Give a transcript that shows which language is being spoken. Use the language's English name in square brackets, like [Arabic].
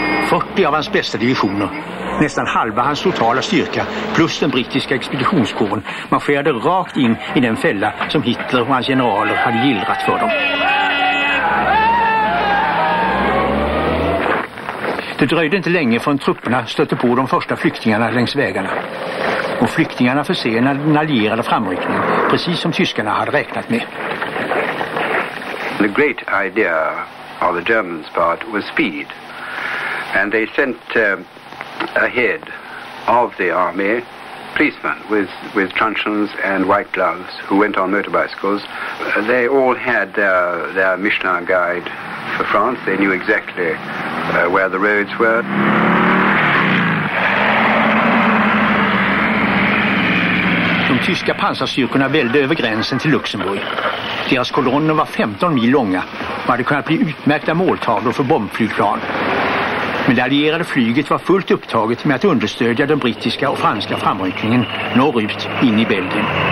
[Swedish] 40 av hans bästa divisioner, nästan halva hans totala styrka, plus den brittiska expeditionskåren, marscherade rakt in i den fälla som Hitler och hans generaler hade gillrat för dem. Det dröjde inte länge förrän trupperna stötte på de första flyktingarna längs vägarna. Och flyktingarna försenade den allierade framryckningen, precis som tyskarna hade räknat med. [English] The great idea of the Germans' part was speed, and they sent ahead of the army policemen with truncheons and white gloves who went on motor bicycles. They all had their Michelin guide for France. They knew exactly where the roads were. [Swedish] De tyska pansarstyrkorna välde över gränsen till Luxemburg. Deras kolonner var 15 mil långa och hade kunnat bli utmärkta måltavlor för bombflygplan. Men det allierade flyget var fullt upptaget med att understödja den brittiska och franska framryckningen norrut in i Belgien.